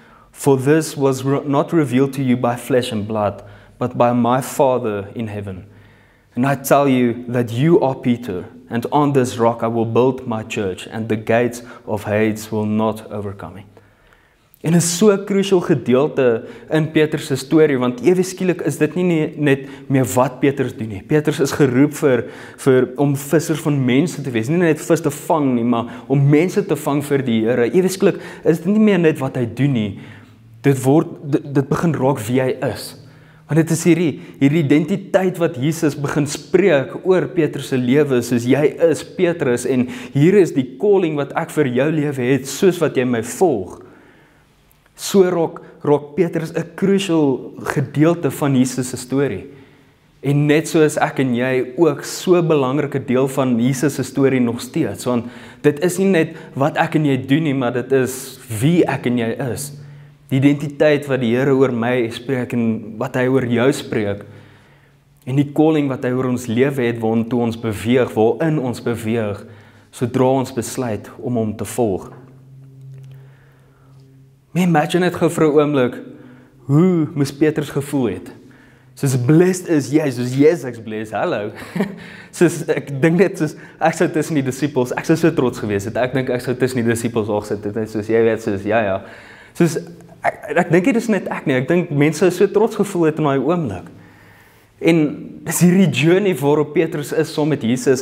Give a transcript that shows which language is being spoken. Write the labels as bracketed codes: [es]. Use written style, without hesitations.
[en] For this was not revealed to you by flesh and blood, but by my Father in heaven. And I tell you that you are Peter, and on this rock I will build my church, and the gates of Hades will not overcome it. [af] En is so 'n crucial gedeelte in Petrus' story, want ewe skielik is dit nie net meer wat Petrus doen nie. Petrus is geroep om visser van mense te wees, nie net vis te vang nie, maar om mense te vang vir die Here. Ewe skielik is dit nie meer net wat hy doen nie, dit begin raak wie hy is. Want dit is hierdie identiteit wat Jesus begin spreek oor Petrus' lewe, soos jy is Petrus en hier is die calling wat ek vir jou lewe het, soos wat jy my volg. So raak Petrus 'n crucial gedeelte van Jesus' story. En net soos ek en jy ook so belangrike deel van Jesus' story nog steeds. Want dit is nie net wat ek en jy doen nie, maar dit is wie ek en jy is. Die identiteit wat die Here oor my spreek en wat hy oor jou spreek. En die calling wat hy oor ons lewe het, waartoe ons beweeg, waarin ons beweeg, sodra ons besluit om hom te volg. Maar imagine het gevra oomlik, hoe moes Petrus gevoel het? Soos blessed is jy, soos yes, ek's blessed, hallo. Soos ek dink net, soos ek sou tussen die disciples, ek sou so trots gewees het, ek dink ek sou tussen die disciples al gesit het, soos jy weet, soos ja. Soos ek dink dit is net ek nie, ek dink mense sou so trots gevoel het in daai oomlik. En dis hierdie journey waarop Petrus is saam met Jesus.